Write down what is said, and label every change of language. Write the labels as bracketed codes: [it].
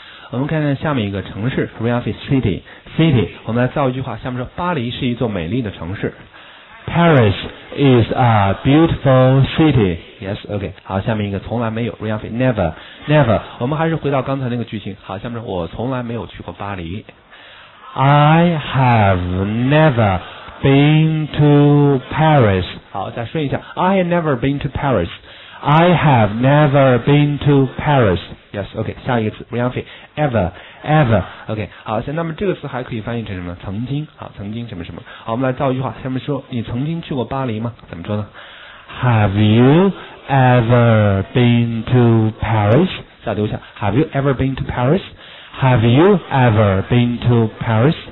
[zh] 我们看看下面一个城市 ，Ariana city， city， 我们来造一句话，下面说巴黎是一座美丽的城市 ， [en] Paris is a beautiful city。 [zh] Yes, OK。好，下面一个从来没有 ，Ariana never。Never， 我们还是回到刚才那个剧情。好，下面我从来没有去过巴黎。 [en] I have never been to Paris。 [zh] 好，再顺一下。 [en] I have never been to Paris。 I have never been to Paris。 Yes, OK。 [zh] 下一个词 ，Rianfi。 [en] Ever, ever。 OK。 [zh] 好，那么这个词还可以翻译成什么？曾经。好，曾经什么什么。好，我们来造一句话。下面说，你曾经去过巴黎吗？怎么说呢 ？ [en] Have you？ Ever been to Paris? [zh] 再读一下 [en] Have you ever been to Paris? Have you ever been to Paris?